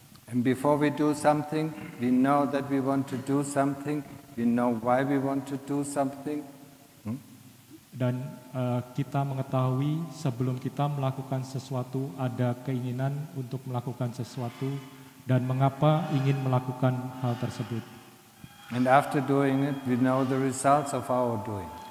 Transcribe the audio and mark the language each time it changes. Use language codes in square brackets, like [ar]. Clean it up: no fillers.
[en] And before we do something, we know that we want to do something. We know why we want to do something. [id] Dan kita mengetahui sebelum kita melakukan sesuatu ada keinginan untuk melakukan sesuatu dan mengapa ingin melakukan hal tersebut. [en] And after doing it, we know the results of our doing.